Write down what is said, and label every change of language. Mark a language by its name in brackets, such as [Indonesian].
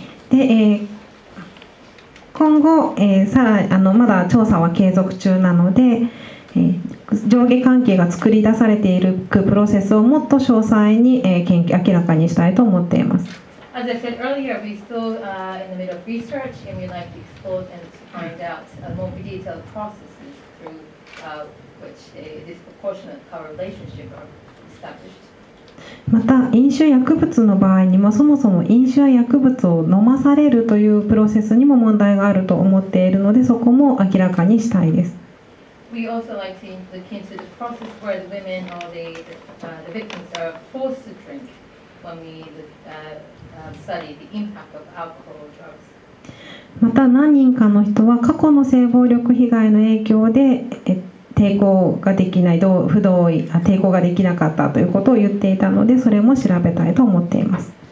[Japanese] で、今後、さらあのまだ調査は継続中なので、上下関係が作り出されているプロセスをもっと詳細に、研究明らかにしたいと思っています。 [English] As I said earlier, we're still in the middle of research and we'd like to explore and to find out more detailed processes through which a disproportionate power relationship are established. [Japanese] また飲酒薬物の場合にもそもそも飲酒や薬物を飲まされるというプロセスにも問題があると思っているので、そこも明らかにしたいです。 [English] We also like to look into the process where the women or the victims are forced to drink when we study the impact of alcohol or drugs. [Japanese] また何人かの人は過去の性暴力被害の影響で抵抗ができない、不同意、抵抗ができなかったということを言っていたので、それも調べたいと思っています。